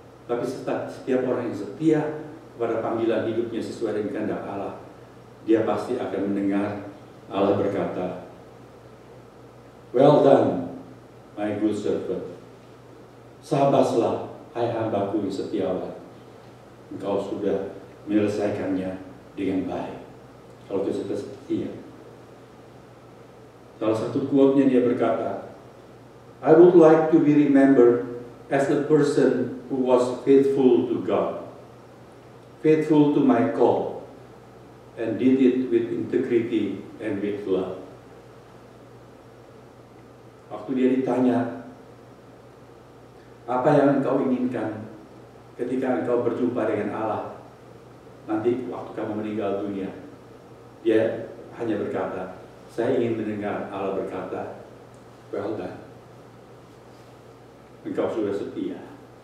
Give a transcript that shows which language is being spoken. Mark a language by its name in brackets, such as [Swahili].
[Indonesian] Tapi setiap orang yang setia kepada panggilan hidupnya sesuai dengan kehendak Allah, dia pasti akan mendengar Allah berkata, [English] "Well done, my good servant. [Indonesian] Sabaslah, hai hambaku yang setiawan. Engkau sudah menyelesaikannya dengan baik." Kalau kita setia. Dalam satu quote-nya dia berkata, [English] "I would like to be remembered as a person who was faithful to God, faithful to my call, and did it with integrity and with love." [Indonesian] Waktu dia ditanya, apa yang engkau inginkan ketika engkau berjumpa dengan Allah nanti waktu kamu meninggal dunia, dia hanya berkata, "Saya ingin mendengar Allah berkata, [English] 'Well done, [Indonesian] engkau sudah setia.'"